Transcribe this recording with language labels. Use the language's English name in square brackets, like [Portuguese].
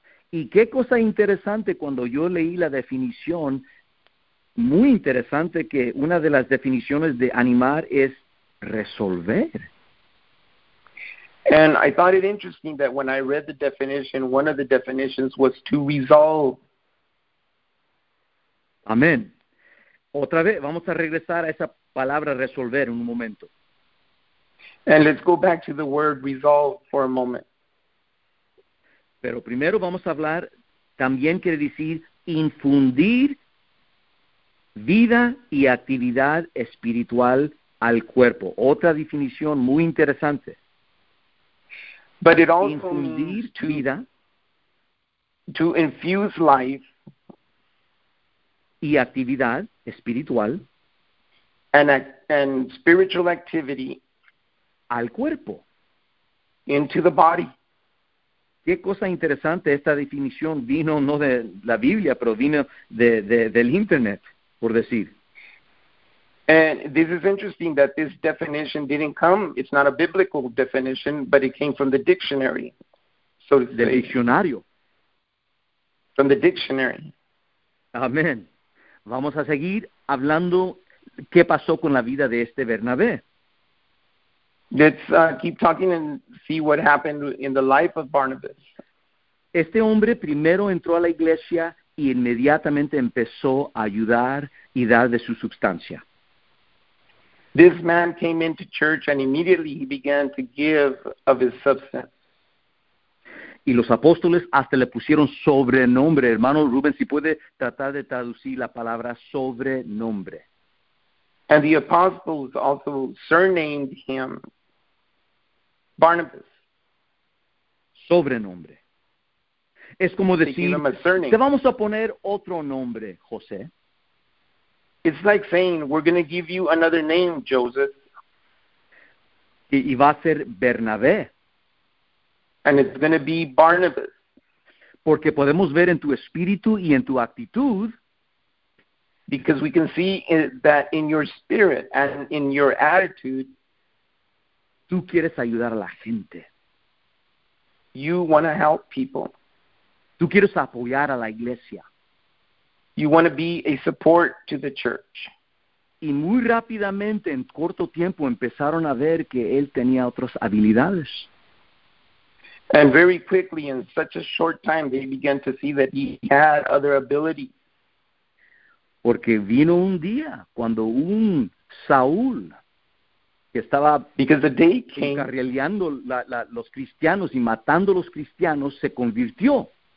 [Spanish] Y qué cosa interesante cuando yo leí la definición, muy interesante que una de las definiciones de animar es resolver. [English] And I thought it interesting that when I read the definition, one of the definitions was to resolve. [Spanish] Amén. Otra vez, vamos a regresar a esa palabra resolver en un momento. [English] And let's go back to the word resolve for a moment. [Spanish] Pero primero vamos a hablar, también quiere decir infundir vida y actividad espiritual al cuerpo. Otra definición muy interesante. [English] But it also [Spanish] infundir [English] means [Spanish] vida. [English] To infuse life. [Spanish] Y actividad espiritual. [English] And spiritual activity. [Spanish] Al cuerpo. [English] Into the body. [Spanish] Qué cosa interesante, esta definición vino no de la Biblia, pero vino del internet, por decir. [English] And this is interesting that this definition didn't come, it's not a biblical definition, but it came from the dictionary. So to [Spanish] del diccionario. [English] From the dictionary. [Spanish] Amén. Vamos a seguir hablando qué pasó con la vida de este Bernabé. [English] Let's keep talking and see what happened in the life of Barnabas. [Spanish] Este hombre primero entró a la iglesia y inmediatamente empezó a ayudar y dar de su sustancia. [English] This man came into church and immediately he began to give of his substance. [Spanish] Y los apóstoles hasta le pusieron sobrenombre. Hermano Rubén, si puede tratar de traducir la palabra sobrenombre. [English] And the apostles also surnamed him Barnabas. [Spanish] Sobrenombre. Es como decir, te vamos a poner otro nombre, José. [English] It's like saying, we're going to give you another name, Joseph. [Spanish] Y va a ser Bernabé. [English] And it's going to be Barnabas. [Spanish] Porque podemos ver en tu espíritu y en tu actitud. [English] Because we can see that in your spirit and in your attitude. [Spanish] Tú quieres ayudar a la gente. [English] You want to help people. [Spanish] Tú quieres apoyar a la iglesia. [English] You want to be a support to the church. [Spanish] Y muy rápidamente, en corto tiempo, empezaron a ver que él tenía otras habilidades. [English] And very quickly, in such a short time, they began to see that he had other abilities. [Spanish] Porque vino un día cuando un Saúl, que estaba encarrilando los cristianos y matando los cristianos, se convirtió.